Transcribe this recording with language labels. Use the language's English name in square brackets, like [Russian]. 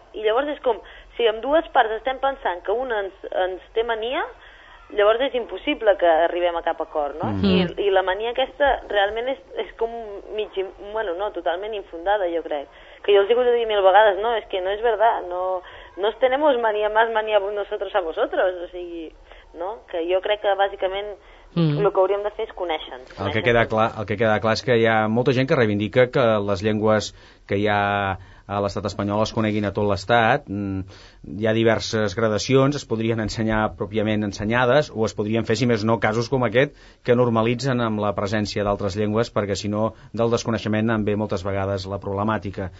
[Catalan] I llavors és com, si amb dues parts estem pensant que una ens té mania, llavors és impossible que arribem a cap acord, no? Mm-hmm. I la mania aquesta realment és com mig... bueno, no, totalment infundada, jo crec. Que jo els he hagut de dir mil vegades, no, és que no és verdad, no... [Spanish] Nos tenemos mania, más mania nosotros a vosotros, [Catalan] o sigui, [Spanish] no? [Catalan] Que jo crec que bàsicament el que hauríem de fer és conèixer-nos. El que queda clar és que hi ha molta gent que reivindica que les llengües que hi ha a l'estat espanyol es coneguin a tot l'estat. Hi ha diverses gradacions, es podrien ensenyar pròpiament ensenyades, o es podrien fer, si més no, casos com aquest, que normalitzen amb la presència d'altres llengües, perquè si no, del desconeixement en ve moltes vegades la problemàtica.